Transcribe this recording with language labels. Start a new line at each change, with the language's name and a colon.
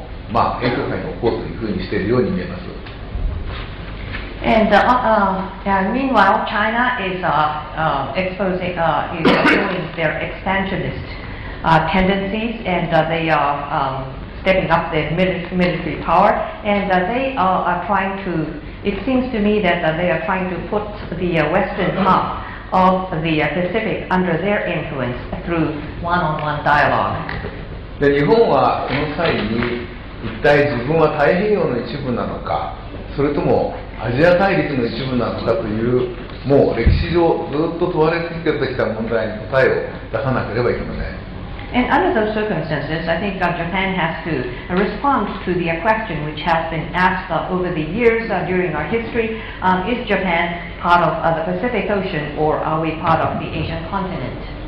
Japanese: 非常にその膨張意欲を明らかにあらわにして軍備を増強し、そして一対一の関係で核に対する影響力を強くして、太平洋の西半分を影響下に置こうというふうにしているように見えます。
English: And meanwhile, China is exposing showing their expansionist tendencies, and they are stepping up their military power, and they are trying to, it seems to me that they are trying to put the western half of the Pacific under their influence through one-on-one dialogue.
Japanese: 日本はこの際に一体自分は太平洋の一部なのか、それともアジア大陸の一部なのかという、もう歴史上ずっと問われ続けてきた問題に答えを出さなければいけません。
English: And under those circumstances, I think Japan has to respond to the question which has been asked over the years during our history. Is Japan part of the Pacific Ocean or are we part of the Asian continent?